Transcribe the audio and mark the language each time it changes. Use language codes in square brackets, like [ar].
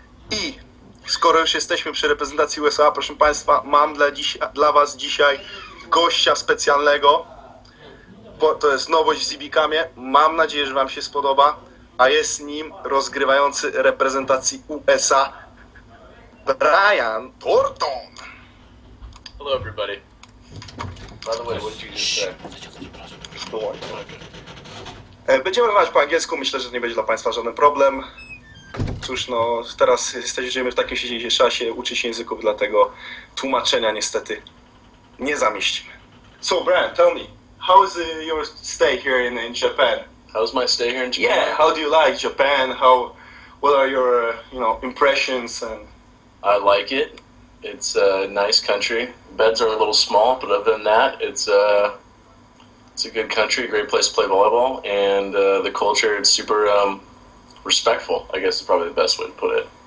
[pl] I skoro już jesteśmy przy reprezentacji USA, proszę Państwa, mam dla Was dzisiaj gościa specjalnego, bo to jest nowość w Zibi Camie. Mam nadzieję, że Wam się spodoba, a jest nim rozgrywający reprezentacji USA, Brian Thornton. [en] Hello everybody. By the way, what did you just say? [pl] Będziemy rozmawiać po angielsku, myślę, że nie będzie dla Państwa żaden problem. Cóż, no teraz jesteśmy w takim siedzącym czasie, uczy się języków, dlatego tłumaczenia niestety nie zamieścimy. [en] So, Brian, tell me, how is your stay here in Japan? How's my stay here in Japan? Yeah, how do you like Japan? How, what are your, you know, impressions? And I like it. It's a nice country. Beds are a little small, but other than that, it's a good country, a great place to play volleyball, and the culture, it's super respectful, I guess is probably the best way to put it.